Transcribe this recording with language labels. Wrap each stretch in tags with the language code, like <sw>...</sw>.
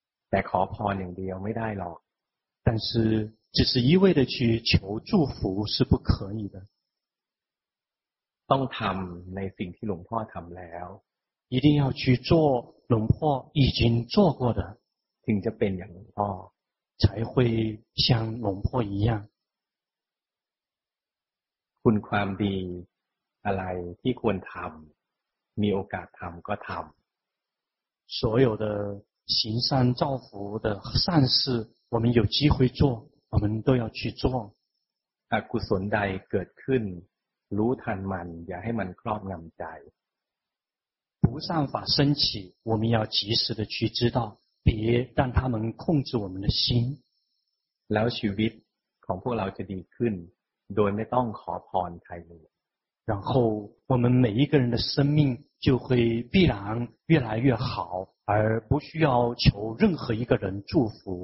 <th>แต่ขอพรอย่างเดียวไม่ได้หรอก</th> <zh>但是只是一味的去求祝福是不可以的</zh> <th>ต้องทำในสิ่งที่หลวงพ่อทำแล้ว</th> <zh>一定要去做龙婆已经做过的听着变成龙婆才会像龙婆一样</zh> <th>คุณความดีอะไรที่ควรทำมีโอกาสทำก็ทำ</th> <zh>所有的行善造福的善事我们有机会做我们都要去做</zh> <th>อกุศลใดเกิดขึ้นรู้ทันมันอย่าให้มันครอบงำใจ</th> <zh>不善法升起我们要及时的去知道别让他们控制我们的心</zh> <th>แล้วชีวิตของพวกเราจะดีขึ้นโดยไม่ต้องขอพรใครเลย</th> <zh>然后我们每一个人的生命就会必然越来越好而不需要求任何一个人祝福</zh>